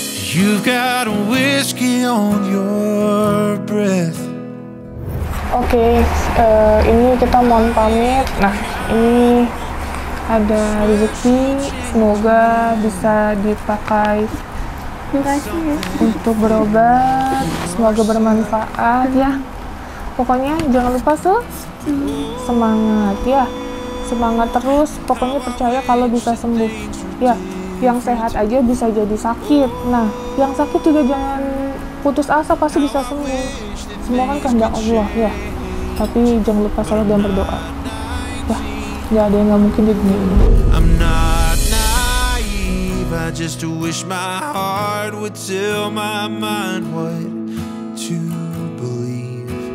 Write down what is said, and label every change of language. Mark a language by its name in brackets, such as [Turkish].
[English] You've got a whiskey on your breath. [Indonesian] Okay, ini kita mohon pamit. Nah, ini ada rezeki, semoga bisa dipakai. Makasih ya. Untuk berobat, semoga bermanfaat ya. Pokoknya jangan lupa semangat ya. Semangat terus, pokoknya percaya kalau bisa sembuh. Ya. Yang sehat aja bisa jadi sakit. Nah, yang sakit juga jangan putus asa, pasti bisa sembuh. Semua kan kehendak Allah ya. Tapi jangan lupa salat dan berdoa. Wah, gak ada yang gak mungkin di dunia ini. [English] I'm not naive, I just wish my heart would tell my mind what to believe.